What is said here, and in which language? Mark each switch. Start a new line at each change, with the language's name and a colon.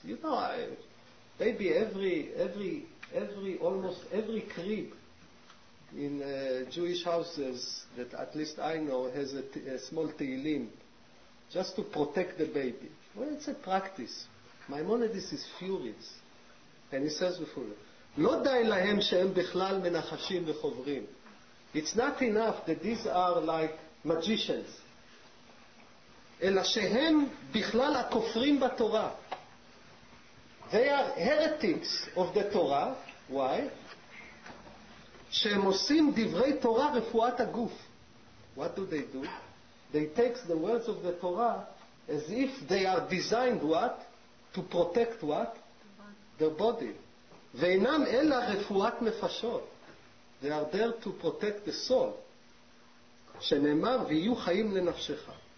English: You know, maybe every almost every crib in Jewish houses that at least I know has a small tehillim just to protect the baby. Well, it's a practice. Maimonides is furious, and he says before,
Hebrew: לא די להם שהם בכלל מנחשים וחוברים.
English: It's not enough that these are like magicians.
Hebrew: אלא שהם בכלל הכופרים בתורה.
English: They are heretics of the Torah. Why?
Hebrew: שהם עושים דברי תורה רפואת הגוף.
English: What do? They take the words of the Torah as if they are designed what? To protect what? Their body.
Hebrew: ואינם אלא רפואת נפשות.
English: They are there to protect the soul.
Hebrew: שנאמר ויהיו חיים לנפשך.